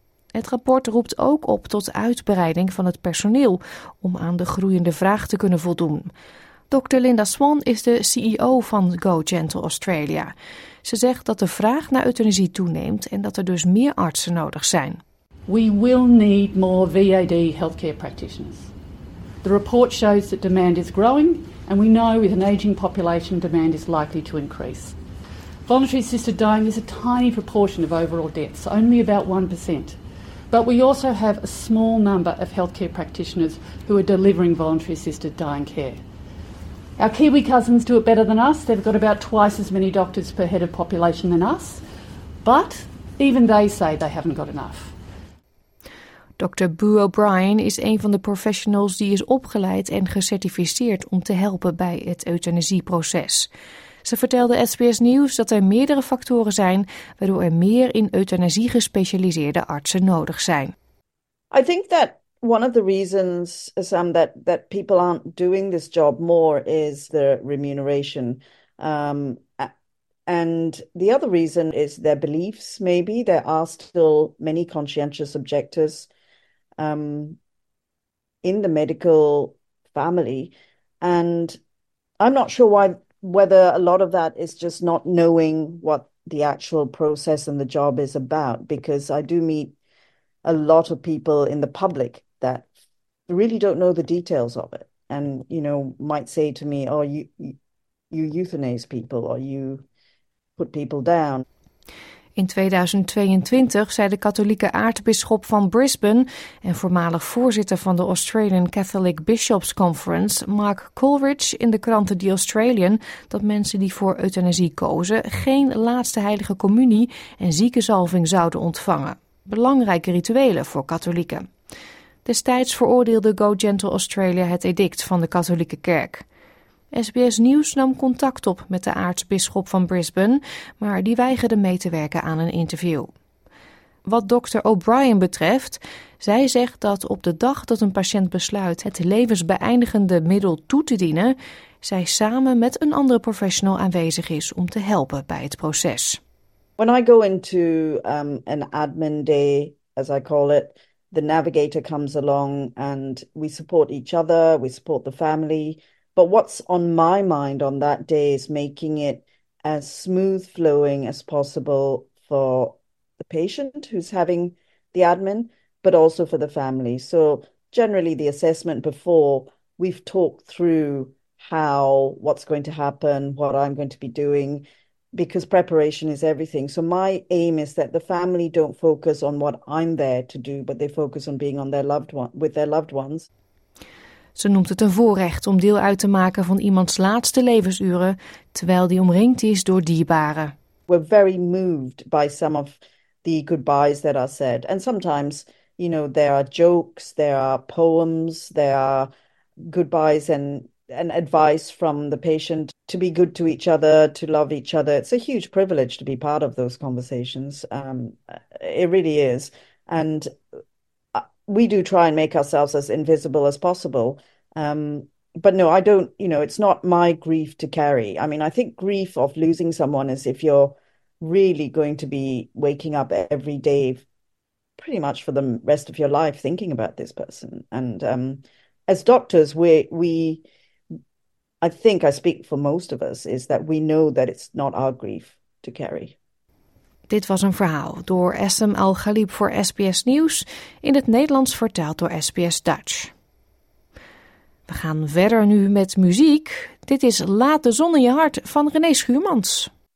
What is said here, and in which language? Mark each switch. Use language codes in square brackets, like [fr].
[nl] Het rapport roept ook op tot uitbreiding van het personeel om aan de groeiende vraag te kunnen voldoen. Dr. Linda Swan is de CEO van Go Gentle Australia. Ze zegt dat de vraag naar euthanasie toeneemt en dat er dus meer artsen nodig zijn. [en] We will need more VAD healthcare practitioners. The report shows that demand is growing, and we know with an ageing population, demand is likely to increase. Voluntary assisted dying is a tiny proportion of overall deaths, only about 1%. But we also have a small number of healthcare practitioners who are delivering voluntary assisted dying care. Our Kiwi cousins do it better than us. They've got about twice as many doctors per head of population than us. But even they say they haven't got enough. Dr. [nl] Boo O'Brien is een van de professionals die is opgeleid en gecertificeerd om te helpen bij het euthanasieproces. Ze vertelde SBS Nieuws dat er meerdere factoren zijn waardoor er meer in euthanasie gespecialiseerde artsen nodig zijn. [en] I think that one of the reasons that people aren't doing this job more is the remuneration. And the other reason is their beliefs, maybe. There are still many conscientious objectors in the medical family. And I'm not sure whether a lot of that is just not knowing what the actual process and the job is about, because I do meet a lot of people in the public that really don't know the details of it and, you know, might say to me, oh, you euthanize people or you put people down. [nl] In 2022 zei de katholieke aartsbisschop van Brisbane en voormalig voorzitter van de Australian Catholic Bishops Conference, Mark Coleridge, in de krant The Australian dat mensen die voor euthanasie kozen geen laatste heilige communie en ziekenzalving zouden ontvangen. Belangrijke rituelen voor katholieken. Destijds veroordeelde Go Gentle Australia het edict van de katholieke kerk. SBS Nieuws nam contact op met de aartsbisschop van Brisbane, maar die weigerde mee te werken aan een interview. Wat Dr. O'Brien betreft, zij zegt dat op de dag dat een patiënt besluit het levensbeëindigende middel toe te dienen, zij samen met een andere professional aanwezig is om te helpen bij het proces. [en] When I go into an admin day, as I call it, the navigator comes along and we support each other, we support the family. But what's on my mind on that day is making it as smooth flowing as possible for the patient who's having the admin, but also for the family. So generally the assessment before, we've talked through how, what's going to happen, what I'm going to be doing, because preparation is everything. So my aim is that the family don't focus on what I'm there to do, but they focus on being on their loved one, with their loved ones. [nl] Ze noemt het een voorrecht om deel uit te maken van iemands laatste levensuren, terwijl die omringd is door dierbaren. [en] We're very moved by some of the goodbyes that are said. And sometimes, you know, there are jokes, there are poems, there are goodbyes and advice from the patient to be good to each other, to love each other. It's a huge privilege to be part of those conversations. It really is. And we do try and make ourselves as invisible as possible. But no, I don't, you know, it's not my grief to carry. I mean, I think grief of losing someone is if you're really going to be waking up every day, pretty much for the rest of your life, thinking about this person. And as doctors, I think I speak for most of us, is that we know that it's not our grief to carry. [nl] Dit was een verhaal door Essem Al-Ghalib voor SBS Nieuws, in het Nederlands vertaald door SBS Dutch. We gaan verder nu met muziek. Dit is Laat de zon in je hart van René Schuurmans.